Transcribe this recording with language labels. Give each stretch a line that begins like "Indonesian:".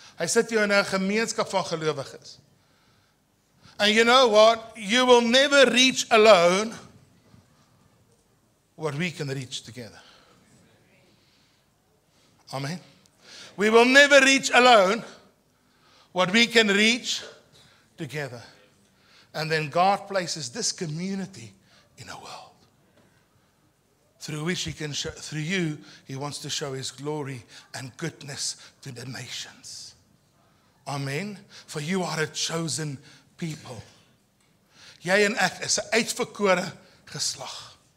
Afrikaans: Hy sit jou in 'n gemeenskap van gelowiges.
English: And you know what? You will never reach alone what we can reach together. Amen. We will never reach alone what we can reach together. And then God places this community in a world through which he can show, through you, he wants to show his glory and goodness to the nations. Amen. For you are a chosen people.
Afrikaans: Jy en ek is 'n uitverkore geslag.